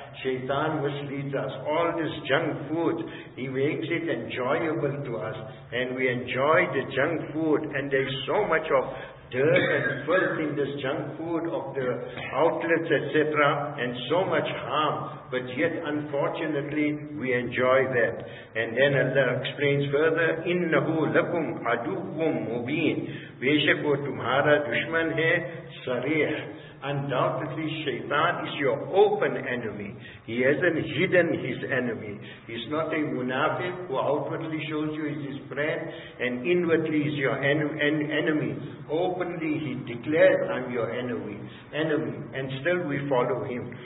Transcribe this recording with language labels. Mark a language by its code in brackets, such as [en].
[en] Shaitan misleads us. All this junk food, he makes it enjoyable to us. And we enjoy the junk food. And there is so much of dirt and filth in this junk food of the outlets, etc. And so much harm. But yet, unfortunately, we enjoy that. And then Allah explains further, [ar] إِنَّهُ لَكُمْ عَدُوٌّ مُبِينٌ [ur] بِيشَكُوا تُمْهَارَ دُشْمَنْ هَيْ صَرِيحٌ. [en] Undoubtedly, Shaitan is your open enemy. He hasn't hidden his enemy. He's not a munafiq who outwardly shows you he's his friend and inwardly is your enemy. Openly, he declares, I'm your enemy. And still we follow him.